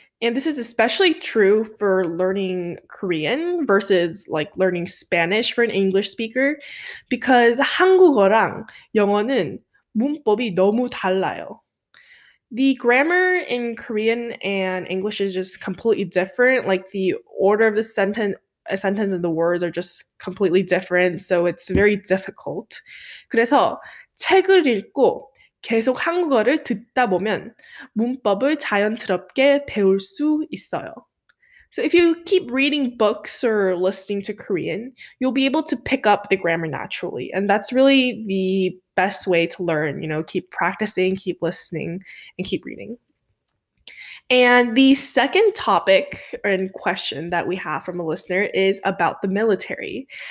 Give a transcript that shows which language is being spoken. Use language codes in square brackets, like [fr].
[en] And this is especially true for learning Korean versus like learning Spanish for an English speaker, because [ko] 한국어랑 영어는 문법이 너무 달라요. [en] The grammar in Korean and English is just completely different. Like the order of the sentence, a sentence and the words are just completely different. So it's very difficult. [ko] 그래서 책을 읽고 계속 한국어를 듣다 보면 문법을 자연스럽게 배울 수 있어요. [en] So if you keep reading books or listening to Korean, you'll be able to pick up the grammar naturally. And that's really the best way to learn, you know, keep practicing, keep listening, and keep reading. And the second topic and question that we have from a listener is about the military.